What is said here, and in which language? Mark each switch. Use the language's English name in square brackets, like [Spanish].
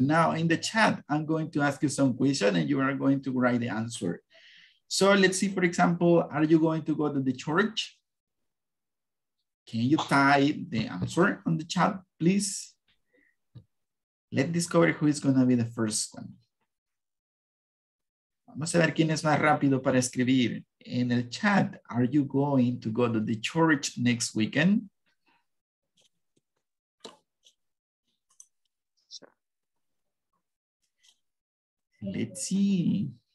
[English] Now in the chat, I'm going to ask you some questions and you are going to write the answer. So let's see, for example, are you going to go to the church? Can you type the answer on the chat, please? Let's discover who is going to be the first one. [Spanish] Vamos a ver quién es más rápido para escribir. [English] In the chat, are you going to go to the church next weekend? Let's see.